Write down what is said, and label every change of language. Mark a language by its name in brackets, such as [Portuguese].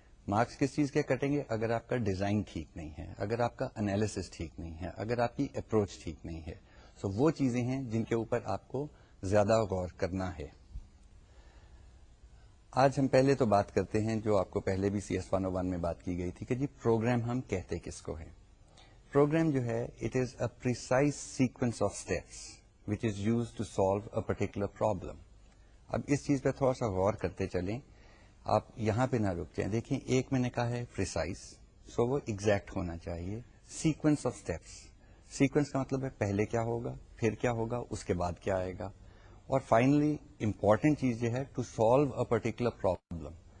[Urdu] Marks کس چیز کے کٹیں گے؟ اگر آپ کا ڈیزائن ٹھیک نہیں ہے, اگر آپ کا انالیسس ٹھیک نہیں ہے, اگر آپ کی اپروچ ٹھیک نہیں ہے. سو وہ چیزیں ہیں جن کے اوپر آپ کو زیادہ غور کرنا ہے. آج ہم پہلے تو بات کرتے ہیں جو آپ کو پہلے بھی CS101 میں بات کی گئی تھی کہ جی پروگرام ہم کہتے کس کو ہے. پروگرام جو ہے [English] It is a precise sequence of steps which is use to solve a particular problem. [Urdu] اب اس چیز پہ تھوڑا سا غور کرتے چلیں, آپ یہاں پہ نہ رک جائیں. دیکھیں ایک میں نے کہا ہے پریسائز, سو وہ ایگزیکٹ ہونا چاہیے. سیکوینس آف اسٹیپس, سیکوینس کا مطلب ہے پہلے کیا ہوگا, پھر کیا ہوگا, اس کے بعد کیا آئے گا, اور فائنلی امپورٹنٹ چیز یہ ہے [English] To solve a particular problem.